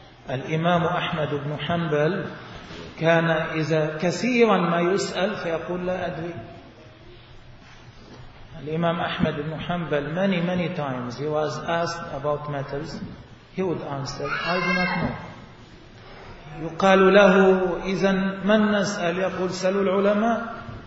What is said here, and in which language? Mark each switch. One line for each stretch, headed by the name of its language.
Arabic: الإمام أحمد بن حنبل كان إذا كثيرا ما يسأل فيقول لا أدري.
English: الإمام أحمد بن حنبل many times he was asked about matters, he would answer I do not know.
Arabic: يقال له إذا من نسأل؟ يقول سلوا العلماء.